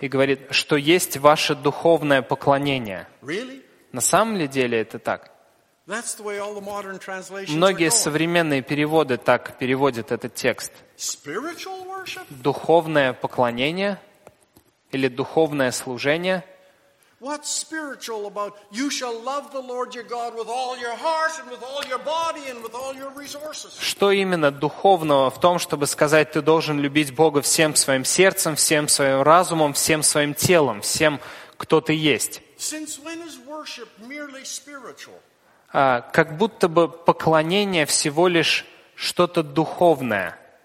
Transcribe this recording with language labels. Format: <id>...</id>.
<ru>И говорит, что есть ваше духовное поклонение.</ru> <en>Really?</en> <ru>На самом ли деле это так?</ru> <en>That's the way all the modern translations are.</en> <ru>Многие современные переводы так переводят этот текст.</ru> <en>Spiritual worship?</en> <ru>Духовное поклонение или духовное служение?</ru> <en>What's spiritual about you shall love the Lord your God with all your heart and with all your body and with all your resources?</en> <ru>Что именно духовного в том, чтобы сказать, ты должен любить Бога всем своим сердцем, всем своим разумом, всем своим телом, всем, кто ты есть?</ru> <en>Since when is worship merely spiritual?</en> <ru>Как будто бы поклонение всего лишь что-то духовное.</ru>